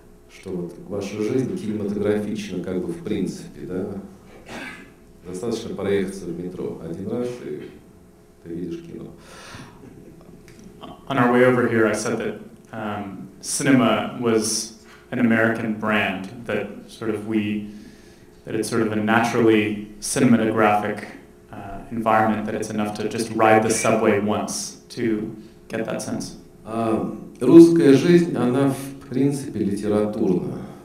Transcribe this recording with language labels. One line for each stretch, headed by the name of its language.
Russian: Что вот ваша жизнь кинематографична, как бы в принципе, да? Достаточно проехаться в метро один раз, и ты видишь кино.
English: On our way over here, I said that cinema was an American brand, that sort of we, that it's sort of a naturally cinematographic environment, that it's enough to just ride the subway once to get that sense.
Russian: Русская жизнь, она в принципе литературна.